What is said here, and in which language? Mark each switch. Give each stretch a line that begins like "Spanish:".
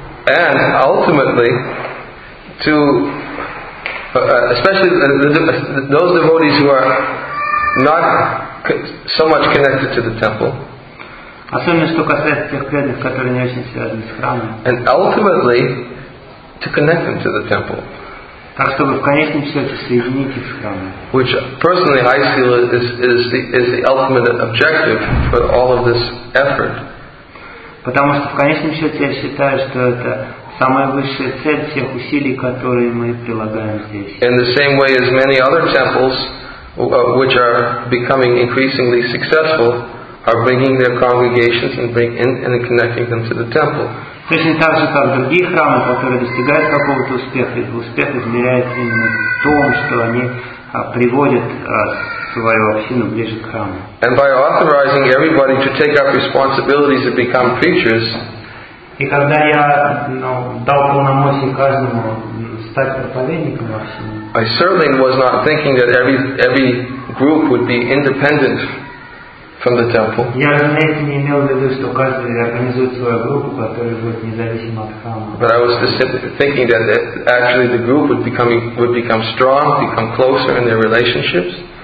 English: And ultimately to especially those devotees who are not so much connected to the temple.
Russian: Особенно что касается тех преданных, которые не очень связаны с храмом.
English: And ultimately to connect them to the temple.
Russian: Так чтобы в конечном счете соединить их с храмом.
English: Which personally I feel is the ultimate objective for all of this effort.
Russian: Потому что в конечном счете я считаю, что это самая высшая цель всех усилий, которые мы прилагаем здесь.
English: In the same way as many other temples, which are becoming increasingly successful, are bringing their congregations and connecting them to the temple.
Russian: Точно так же, как другие храмы, которые достигают какого-то успеха, их успех измеряется именно в том, что они приводят свою общину ближе к храму.
English: And by authorizing everybody to take up responsibilities and become preachers,
Russian: и когда я дал полномочия каждому стать проповедником в общине,
English: I certainly was not thinking that every group would be independent from the temple.
Russian: Я, разумеется, не имел в виду, что каждый организует свою группу, которая будет независима от храма.
English: But I was thinking that actually the group would become strong, become closer in their relationships.